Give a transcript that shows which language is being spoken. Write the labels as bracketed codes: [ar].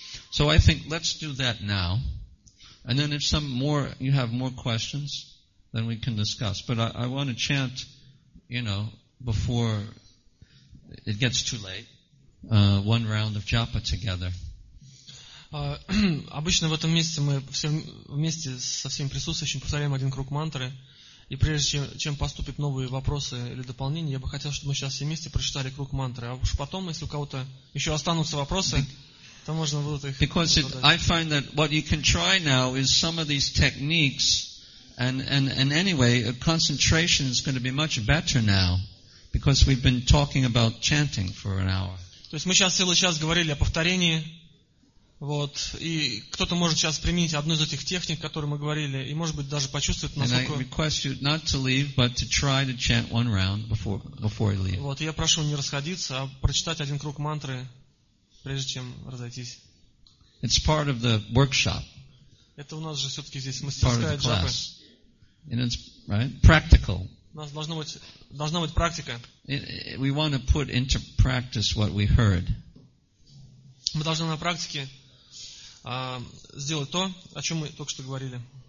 [en] So I think let's do that now. And then if you have more questions, then we can discuss. But I want to chant, you know, before it gets too late, one round of japa together. [ru] Обычно в этом месте мы все вместе со всеми присутствующими повторяем один круг мантры. И прежде чем поступят новые вопросы или дополнения, я бы хотел, чтобы мы сейчас все вместе прочитали круг мантры. А уж потом, если у кого-то еще останутся вопросы, то можно будет их задать. [en] Because I find that what you can try now is some of these techniques And anyway, concentration is going to be much better now because we've been talking about chanting for an hour. [ru] То есть мы сейчас целый час говорили о повторении. Вот, и кто-то может сейчас применить одну из этих техник, о которых мы говорили, и может быть даже почувствовать, насколько. Вот, я прошу не расходиться, а прочитать один круг мантры, прежде чем разойтись. [en] It's part of the workshop. [ru] Это у нас же все-таки здесь мастерская джапы. [en] And it's right, practical. [ru] У нас должна быть практика. [en] We want to put into practice what we heard. [ru] Мы должны на практике сделать то, о чем мы только что говорили.